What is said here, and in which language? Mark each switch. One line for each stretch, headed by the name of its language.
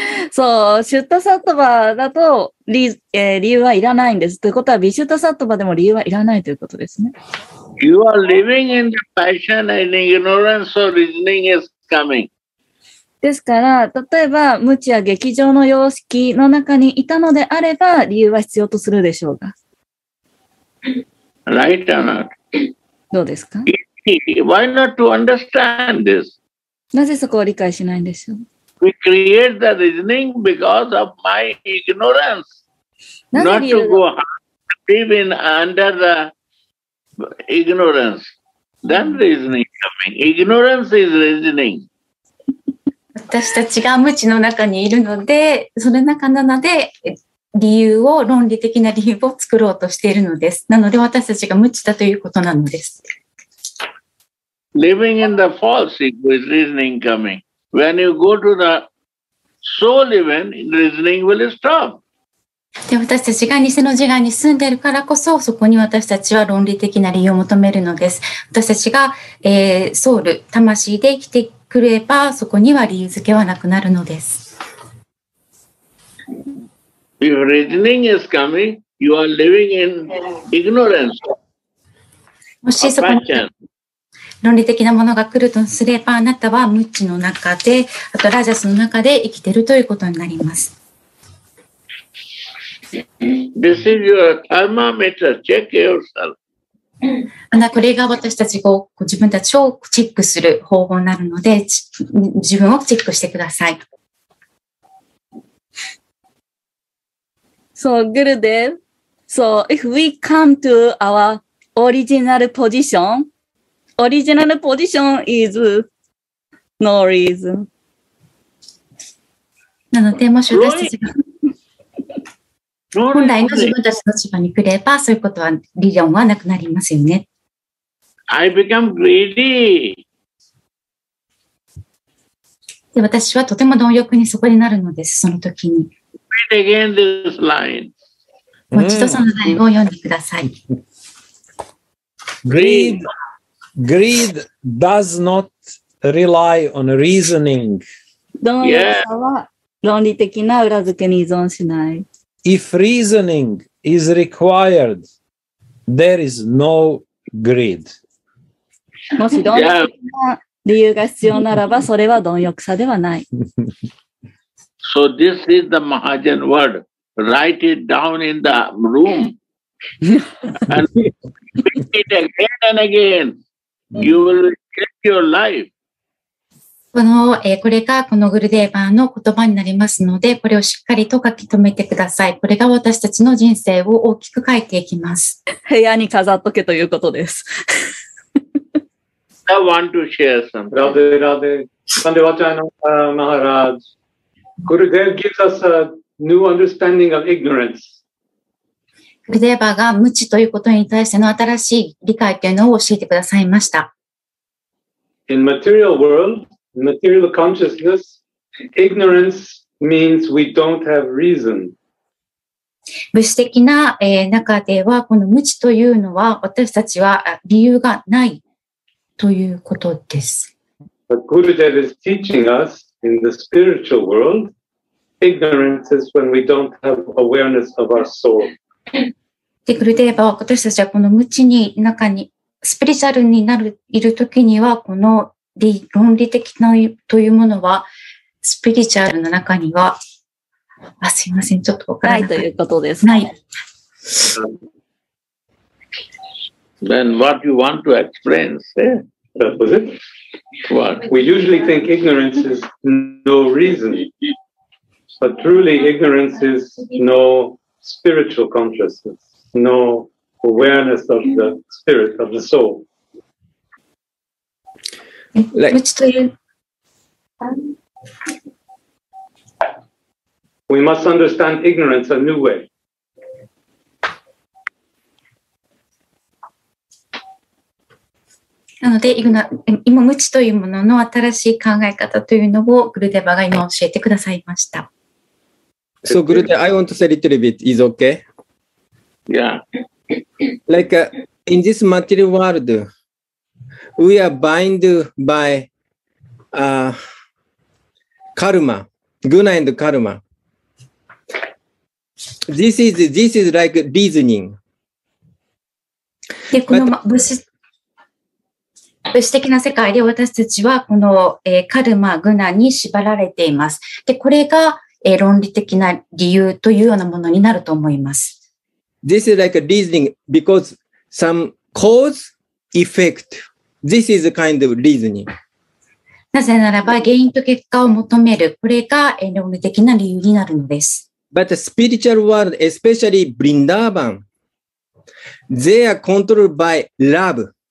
Japanese: そう、シュタサトバだと理由はいらないんです。ということはビシュタサトバでも理由はいらないということですね。
English: You are living in the passion and ignorance, so reasoning is coming.
Japanese: ですから、例えば、無知や劇場の様式の中にいたのであれば、理由は必要とするでしょうか。
English: Right or not?
Japanese: どうですか？
English: Why not to understand this?
Japanese: なぜそこを理解しないんでしょう？
English: We create the reasoning because of my ignorance. Not to go live in under the ignorance. Then reasoning coming. Ignorance is reasoning.
Japanese: 私たちが無知の中にいるので、その中なので、理由を、論理的な理由を作ろうとしているのです。なので、私たちが無知だということなのです。
English: Living in the false ego is reasoning coming. When you go to the soul event, reasoning will stop.
Japanese: で、私たちが偽の自我に住んでいるからこそ、そこに私たちは論理的な理由を求めるのです。私たちが、ソウル、魂で生きてくればそこには理由付けはなくなるのです。
English: If reasoning is coming, you are living in ignorance.
Japanese: もしそこに論理的なものが来るとすればあなたは無知の中で、あとラジャスの中で生きているということになります。
English: This is your thermometer. Check yourself.
Japanese: これが私たちが自分たちをチェックする方法になるので、自分をチェックしてください。
English: So, Gurudev, so if we come to our original position, original position is no reason.
Japanese: なのでもし私たちが本来の自分たちの地場に来れば、そういうことは、理論はなくなりますよね。
English: I become greedy.
Japanese: で、私はとても貪欲にそこになるのです、その時に。
English: Read again this line.
Japanese: もう一度そのラインを読んでください。
English: Greed does not rely on reasoning.
Japanese: 貪欲さは論理的な裏付けに依存しない。
English: If reasoning is required, there is no greed.
Japanese: もし貪欲な理由が必要ならば、それは貪欲さではない。
English: So this is the Mahajan word. Write it down in the room. And repeat it again and again. You will get your life.
Japanese: これがこのグルデーバーの言葉になりますので、これをしっかりと書き留めてください。これが私たちの人生を大きく変えていきます。部屋に飾っとけということです。
English: I want to share some. Radhe, Radhe. Sandevachana Maharaj. Gurudev gives us a new understanding of ignorance.
Japanese: グルデーバーが無知ということに対しての新しい理解というのを教えてくださいました。
English: In material world,Material consciousness, ignorance means we don't have reason.
Japanese: 物質的な中ではこの無知というのは私たちは理由がないということです。
English: But Gurudev is teaching us in the spiritual world, ignorance is when we don't have awareness of our soul.
Japanese: で、グルデーバは私たちはこの無知に中にスピリチュアルになるいるときにはこの論理的なというものはスピリチュアルの中にはあすいませんちょっと分からないということです。ない。
English: then what you want to explain, say. That was it. What? We usually think ignorance is no reason. But truly, ignorance is no spiritual consciousness, no awareness of the spirit, of the soul. Like, which to you? We must understand ignorance a new way.
Japanese: なので今無知というものの新しい考え方というのをグルデバが今教えてくださいました。
English: So Gurudev, I want to say a little bit. Is okay? Yeah. Like, in this material world, we are bound by karma, guna and karma. This is like reasoning.
Japanese: で、この物質的な世界で私たちはこの、カルマ、グナに縛られています。で、これが、論理的な理由というようなものになると思います。
English: This is like a reasoning because some cause, effect. This is a kind of reasoning.
Japanese: なぜならば原因と結果を求める。これが、論理的な理由になるのです。
English: But the spiritual world, especially Vrindavan, they are controlled by love.